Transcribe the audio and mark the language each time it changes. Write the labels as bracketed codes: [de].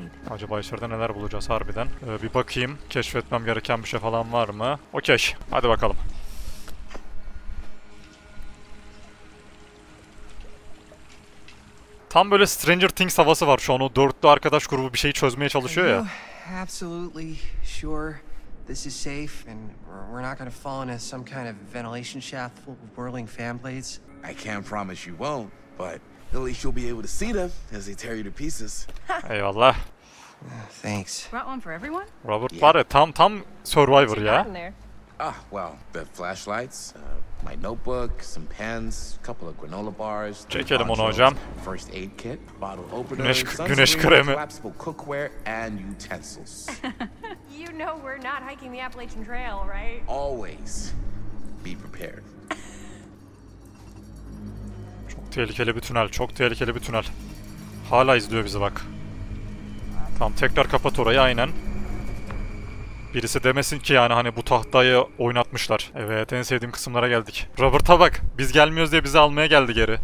[tr] Acaba içeride neler bulacağız harbiden? Bir bakayım, keşfetmem gereken bir şey falan var mı? Okey, hadi bakalım. Tam böyle Stranger Things havası var şu an. O dörtlü arkadaş grubu bir şeyi çözmeye çalışıyor ya. [en] Absolutely sure. This is safe and we're not going to fall into some kind of ventilation shaft full of whirling fan blades. I can't promise you won't, but at least you'll be able to see them as they tear you to pieces. [tr] Eyvallah. [en] Thanks. Brought one for everyone? [tr] Robert var ya, tam survivor ya. [en] Ah, well, the flashlights, my notebook, some pens, a couple of granola bars. [tr] Çekelim onu hocam. [en] First aid kit, bottle opener, [tr] güneş kremi, [en] collapsible cookware and utensils. You know we're not hiking the Appalachian Trail, right? Always be prepared. [tr] Çok tehlikeli bir tünel, çok tehlikeli bir tünel. Hala izliyor bizi bak. Tamam, tekrar kapat orayı, aynen. Birisi demesin ki yani hani bu tahtayı oynatmışlar. Evet, en sevdiğim kısımlara geldik. Robert'a bak, biz gelmiyoruz diye bizi almaya geldi geri.